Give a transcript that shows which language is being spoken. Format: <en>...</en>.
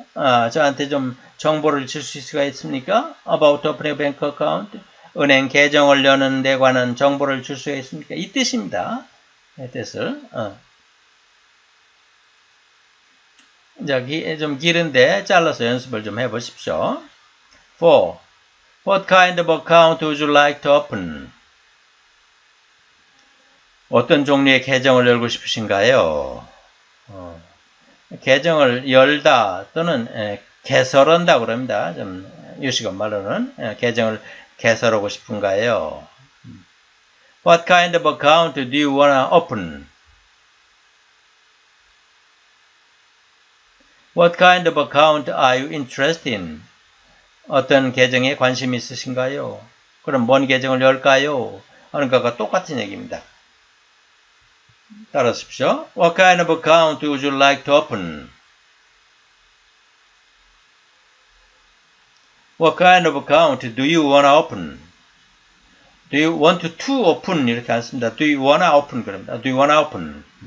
<ko>저한테 좀 정보를 줄수 있을까 있습니까?</ko> <en>About opening a bank account,</en> <ko>은행 계정을 여는 데 관한 정보를 줄수 있습니까? 이 뜻입니다. 이 뜻을. 여기 좀 길은데 잘라서 연습을 좀 해보십시오.</ko> <en>Four. What kind of account would you like to open?</en> <ko>어떤 종류의 계정을 열고 싶으신가요? 계정을 열다 또는 개설한다 그럽니다. 좀 유식한 말로는 계정을 개설하고 싶은가요?</ko> <en>What kind of account do you wanna open? What kind of account are you interested in?</en> <ko>어떤 계정에 관심 있으신가요? 그럼 뭔 계정을 열까요? 하는 것과 똑같은 얘기입니다. 따라하십시오.</ko> <en>What kind of account would you like to open? What kind of account do you want to open? Do you want to open? 이렇게 안 씁니다. Do you want to open? 그럽니다. Do you want to open?</en>